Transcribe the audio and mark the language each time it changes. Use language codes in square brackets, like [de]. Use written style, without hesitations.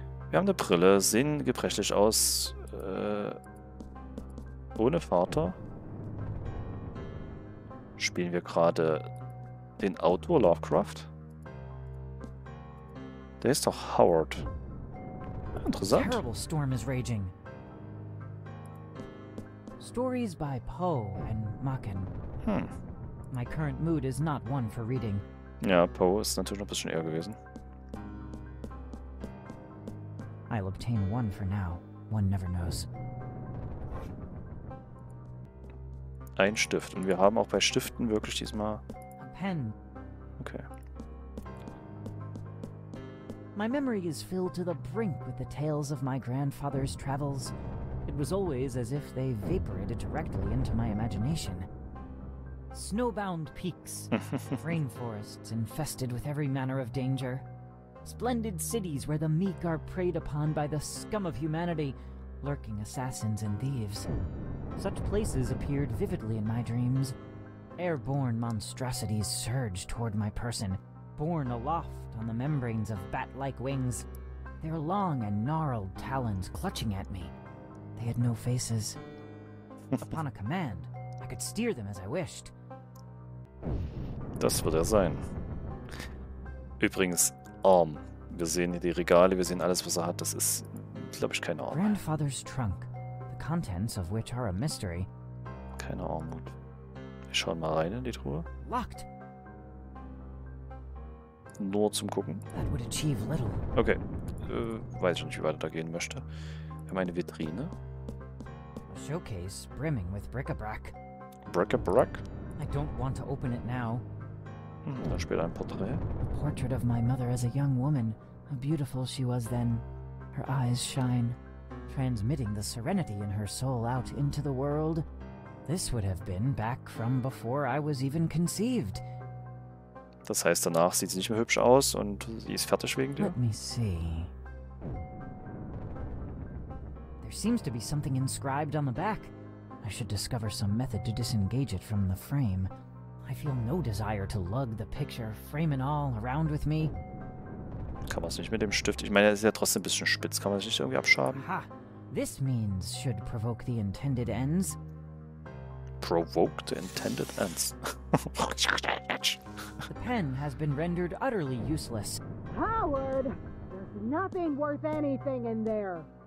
[de] Wir haben eine Brille, sehen gebrechlich aus, ohne Vater. Spielen wir gerade den Autor Lovecraft? Der ist doch Howard. Interessant. [en] A terrible storm is raging. Stories by Poe and Machen. My current mood is not one for reading. [de] Ja, Poe ist natürlich noch ein bisschen eher gewesen. [en] I'll obtain one for now. One never knows. [de] Ein Stift. Und wir haben auch bei Stiften wirklich diesmal... [en] A pen. Okay. My memory is filled to the brink with the tales of my grandfather's travels. It was always as if they vaporated directly into my imagination. Snowbound peaks, rainforests infested with every manner of danger, splendid cities where the meek are preyed upon by the scum of humanity, lurking assassins and thieves. Such places appeared vividly in my dreams. Airborne monstrosities surged toward my person, borne aloft on the membranes of bat-like wings, their long and gnarled talons clutching at me. They had no faces. Upon a command, I could steer them as I wished. [de] Das wird sein. Übrigens, Arm. Wir sehen hier die Regale, wir sehen alles, was hat. Das ist, glaube ich, keine Arm. [en] Grandfather's trunk, the contents of which are a mystery. [de] Keine Arm. Wir schauen mal rein in die Truhe. [en] Locked! [de] Nur zum Gucken. [en] That would achieve little. Okay. [de] Weiß schon nicht, wie weit da gehen möchte. Wir haben eine Vitrine. [en] A showcase brimming with bric-a-brac. Bric-a-brac? I don't want to open it now. [de] Dann später ein Porträt. [en] A portrait of my mother as a young woman. How beautiful she was then. Her eyes shine, transmitting the serenity in her soul out into the world. This would have been back from before I was even conceived. [de] Das heißt, danach sieht sie nicht mehr hübsch aus und sie ist fertig wegen dir. [en] Let me see. There seems to be something inscribed on the back. I should discover some method to disengage it from the frame. I feel no desire to lug the picture, frame and all, around with me. [de] Kann man es nicht mit dem Stift? Ich meine, er ist ja trotzdem ein bisschen spitz. Kann man es nicht irgendwie abschaben? Aha. [en] This means should provoke the intended ends. Provoke the intended ends. The pen has been rendered utterly useless. Howard! There's nothing worth anything in there.